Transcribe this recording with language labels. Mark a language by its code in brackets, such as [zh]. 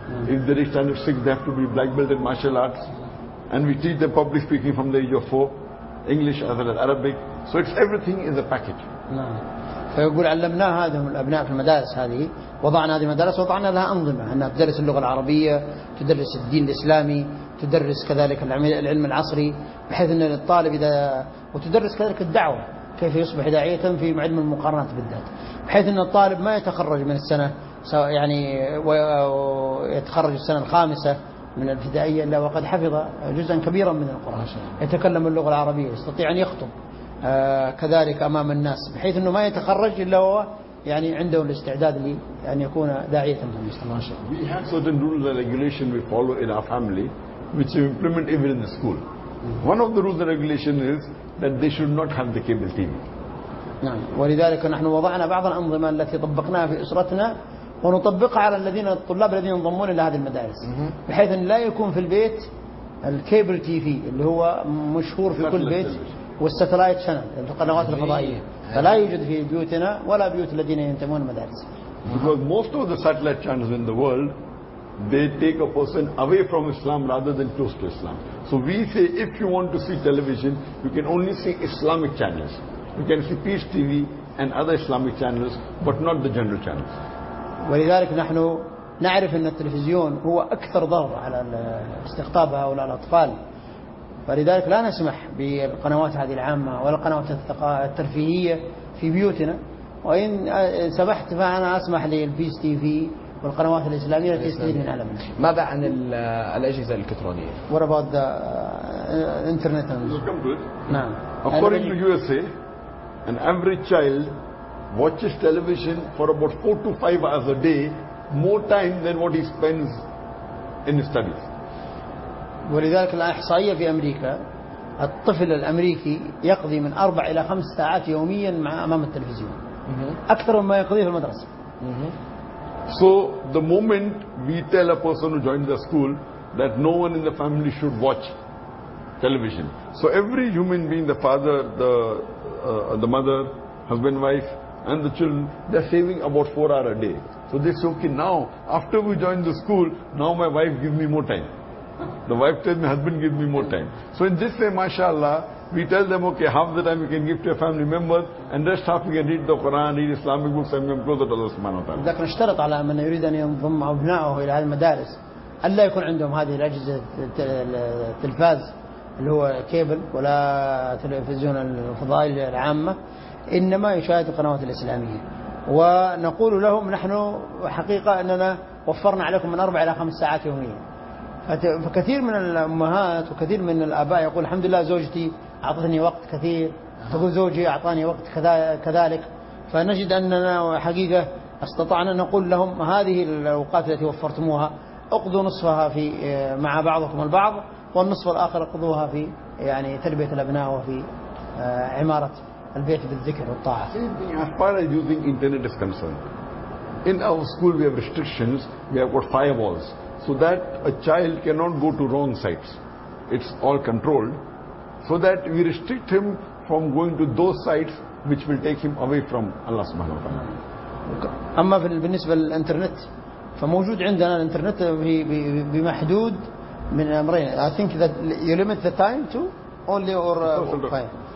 [en] If they reach standard 6, they have to be black belt in martial arts. And we teach them public speaking from the age of 4, English as well as Arabic. So it's everything in the package. [ar] فيقول علمناها هذه الأبناء في المدارس هذه وضعنا هذه المدارس وضعنا لها أنظمة أنها تدرس اللغة العربية تدرس الدين الإسلامي تدرس كذلك العلم العصري بحيث أن الطالب إذا وتدرس كذلك الدعوة كيف يصبح داعية في علم المقارنات بالذات بحيث أن الطالب ما يتخرج من السنة يعني ويتخرج السنة الخامسة من الابتدائية إلا وقد حفظ جزءا كبيرا من القرآن يتكلم اللغة العربية يستطيع أن يخطب كذلك أمام الناس بحيث أنه ما يتخرج إلا هو يعني عنده الاستعداد لي أن يكون داعية في المستقبل. [en] We have certain rules and regulations we follow in our family, which we implement even in the school. One of the rules and regulations is that they should not have the cable TV. [ar] نعم. ولذلك نحن وضعنا بعض الأنظمة التي طبقناها في أسرتنا ونطبقها على الذين الطلاب الذين ينضمون إلى هذه المدارس بحيث أن لا يكون في البيت الكابل تي في اللي هو مشهور في كل بيت. والستلايت شانل القنوات الفضائية فلا يوجد في بيوتنا ولا بيوت الذين ينتمون المدارس. [en] Because most of the satellite channels in the world, they take a person away from Islam rather than close to Islam. So we say if you want to see television, you can only see Islamic channels. You can see Peace TV and other Islamic channels, but not the general channels. [ar] ولذلك نحن نعرف أن التلفزيون هو أكثر ضرر على استقطاب هؤلاء الأطفال. فلذلك لا نسمح بالقنوات هذه العامة ولا القنوات الترفيهية في بيوتنا وإن سمحت فأنا أسمح للبيس تي في والقنوات الإسلامية التي تستفيد من عالمنا. ماذا عن الأجهزة الإلكترونية؟ [en] What about the internet? [ar] نعم. [en] According to USA, an average child watches television for about 4-5 hours a day, more time than what he spends in his studies. [ar] ولذلك الإحصائية في أمريكا الطفل الأمريكي يقضي من 4-5 ساعات يوميا أمام التلفزيون أكثر مما يقضيه في المدرسة [en] So the moment we tell a person who joined the school that no one in the family should watch television, so every human being, the father, the mother, husband, wife, and the children, they are saving about 4 hours a day. So they say, okay, now after we join the school, now my wife gives me more time. The wife tells me, husband gives me more time. So in this way, mashallah, we tell them, okay, half the time you can give to your family members, and rest half you can read the Quran, read Islamic books, and then close the door. [ar] Subhanahu wa ta'ala. لكن اشترط على من يريد أن ينضم أبنائه إلى المدارس أن لا يكون عندهم هذه الأجهزة التلفاز اللي هو كيبل ولا تلفزيون الفضائي العامة إنما يشاهد القنوات الإسلامية ونقول لهم نحن حقيقة أننا وفرنا عليكم من 4 إلى 5 ساعات يوميا فكثير من الأمهات وكثير من الآباء يقول الحمد لله زوجتي أعطتني وقت كثير تقول زوجي أعطاني وقت كذلك فنجد أننا حقيقة استطعنا أن نقول لهم هذه الأوقات التي وفرتموها أقضوا نصفها في مع بعضكم البعض والنصف الآخر أقضوها في يعني تربية الأبناء وفي عمارة البيت بالذكر والطاعة. [en] As far as using internet is concerned, in our school we have restrictions, we have got firewalls, so that a child cannot go to wrong sites. It's all controlled, so that we restrict him from going to those sites which will take him away from Allah [ar] Subhanahu wa Taala. أما بالنسبة للإنترنت فموجود عندنا الإنترنت بمحدود من أمرين. [en] I think that you limit the time to only or five.